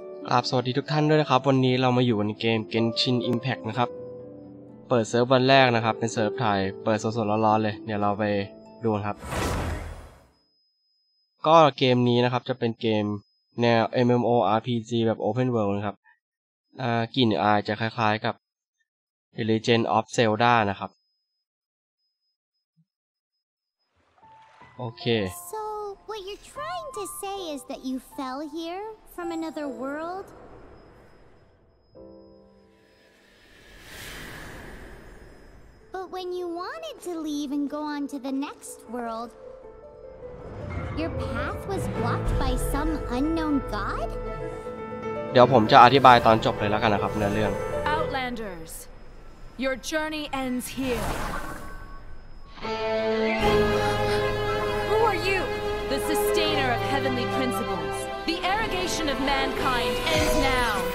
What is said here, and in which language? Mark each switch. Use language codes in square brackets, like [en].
[th] ครับสวัสดีทุกท่านด้วยนะครับวันนี้เรามาอยู่ในเกม Genshin Impact นะครับเปิดเซิร์ฟวันแรกนะครับเป็นเซิร์ฟไทยเปิดสดๆร้อนๆเลยเดี๋ยวเราไปดูครับก็เกมนี้นะครับจะเป็นเกมแนว MMORPG แบบ Open World นะครับกลิ่นอายจะคล้ายๆกับ The Legend of Zelda นะครับโอเค [en] What you're trying to say is that you fell here from another world? But when you wanted to leave and go on to the next world, your path was blocked by some unknown god? [th] เดี๋ยวผมจะอธิบายตอนจบเลยแล้วกันนะครับเนื้อเรื่อง [en] Outlanders, your journey ends here. Who are you? The sustainer of heavenly principles. The arrogation of mankind ends now.